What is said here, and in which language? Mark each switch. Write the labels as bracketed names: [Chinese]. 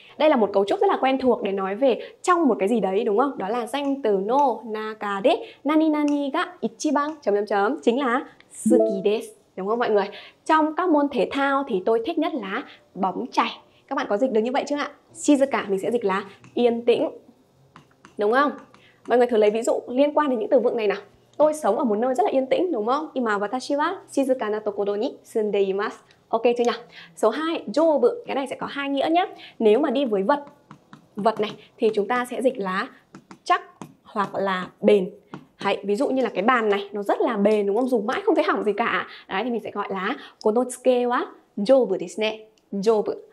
[Vietnamese] Đây là một cấu trúc rất là quen thuộc để nói về trong một cái gì đấy đúng không? Đó là danh từ [Japanese] no naka de nani nani ga ichiban [Vietnamese] chấm chấm chấm chính là [Japanese] suki desu. [Vietnamese] Đúng không mọi người? Trong các môn thể thao thì tôi thích nhất là bóng chày. Các bạn có dịch được như vậy chưa ạ? Shizuka mình sẽ dịch là yên tĩnh. Đúng không? Mọi người thử lấy ví dụ liên quan đến những từ vựng này nào. Tôi sống ở một nơi rất là yên tĩnh, đúng không? [Japanese] 今私は静かなところに住んでいます. [Vietnamese] Ok chưa nhỉ? Số 2, jōbu. Cái này sẽ có hai nghĩa nhé. Nếu mà đi với vật, vật này, thì chúng ta sẽ dịch là chắc hoặc là bền. Hãy, ví dụ như là cái bàn này, nó rất là bền, đúng không? Dùng mãi không thấy hỏng gì cả. Đấy, thì mình sẽ gọi là [Japanese] このつけは jōbu ですね. [Vietnamese] Jōbu.